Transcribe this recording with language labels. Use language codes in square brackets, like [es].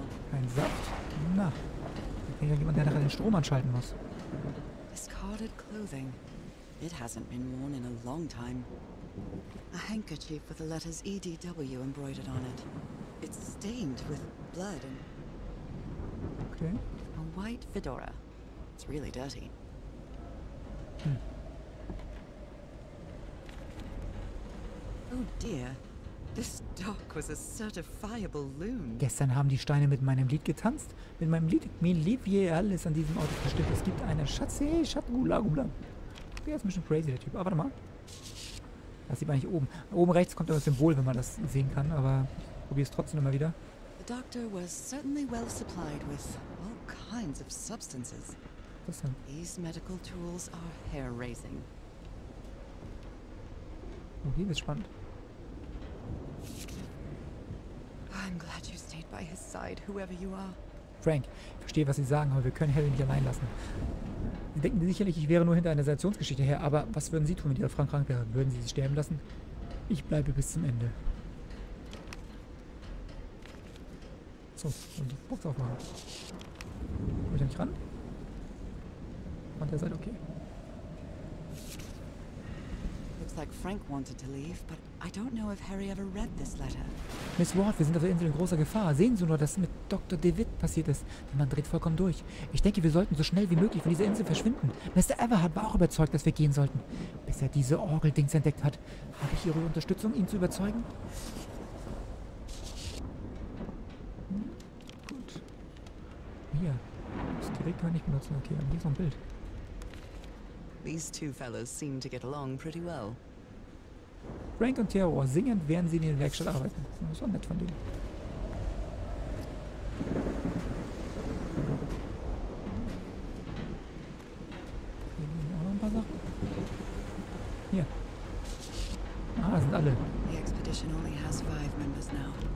[de] Kein Saft? Na, da kriegt ja jemand, der nachher den Strom anschalten muss. [en] Discarded clothing. It hasn't been worn in a long time. A handkerchief with the letters EDW embroidered on it. It's stained with blood and... Okay. A white fedora. It's really dirty. Oh dear, this dog was a certifiable loon. [de] Gestern haben die Steine mit meinem Lied getanzt. Mit meinem Lied, mein Lied, wie alles an diesem Ort bestimmt. Es gibt eine Schatze, Schatten-Gula-Gula. Der ist ein bisschen crazy, der Typ. Aber warte mal. Das sieht man nicht oben. Oben rechts kommt ein Symbol, wenn man das sehen kann. Aber ich probiere es trotzdem immer wieder. [en] The doctor was certainly well supplied with all kinds of substances. [de] Was denn? [en] These medical tools are hair-raising. [de] Oh, hier wird's spannend. [en] I'm glad you stayed by his side, whoever you are. [de] Frank, ich verstehe, was Sie sagen, aber wir können Harry nicht allein lassen. Sie denken sicherlich, ich wäre nur hinter einer Sensationsgeschichte her, aber was würden Sie tun, wenn Ihr Frank krank wäre? Würden Sie sich sterben lassen? Ich bleibe bis zum Ende. So, und die Box aufmachen. Komm ich da nicht ran? An der Seite, okay. [en] Looks like Frank wanted to leave, but I don't know if Harry ever read this letter. [de] Miss Ward, wir sind auf der Insel in großer Gefahr. Sehen Sie nur, was mit Dr. DeWitt passiert ist. Der Mann dreht vollkommen durch. Ich denke, wir sollten so schnell wie möglich von dieser Insel verschwinden. Mr. Everhart war auch überzeugt, dass wir gehen sollten. Bis er diese Orgeldings entdeckt hat. Habe ich Ihre Unterstützung, ihn zu überzeugen? Hm, gut. Hier. Das Gerät kann ich benutzen. Okay, hier ist noch ein Bild. [en] These two fellows seem to get along pretty well. [de] Frank und Theo singend, während sie in der Werkstatt arbeiten. Das ist auch nett von denen. Hier sind auch noch ein paar Sachen. Hier. Ah, das sind alle. [en] The expedition only has 5 members now.